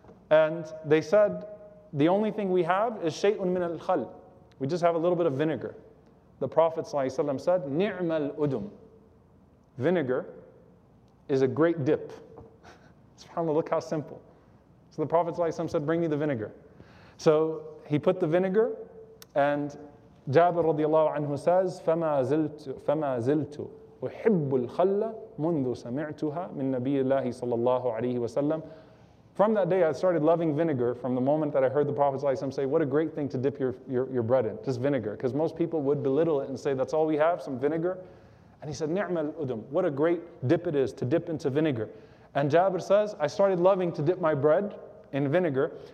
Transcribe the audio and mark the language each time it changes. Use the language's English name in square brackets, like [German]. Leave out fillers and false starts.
[English] And they said, the only thing we have is [Arabic] shay'un min al-khal. [English] We just have a little bit of vinegar. The Prophet ﷺ said, [Arabic] ni'mal al-udum. [English] Vinegar is a great dip. SubhanAllah, look how simple. So the Prophet ﷺ said, bring me the vinegar. So he put the vinegar, and Jabir radiallahu anhu says, [Arabic] فَمَا زِلْتُ أُحِبُّ الْخَلَّ مُنْذُ سَمِعْتُهَا مِنْ نَبِيِّ اللَّهِ صَلَى اللَّهُ عَلَيْهِ وَسَلَّمْ. [English] From that day, I started loving vinegar from the moment that I heard the Prophet ﷺ say, what a great thing to dip your bread in, just vinegar. Because most people would belittle it and say, that's all we have, some vinegar. And he said, [Arabic] ni'mal udum, [English] what a great dip it is to dip into vinegar. And Jabir says, I started loving to dip my bread in vinegar.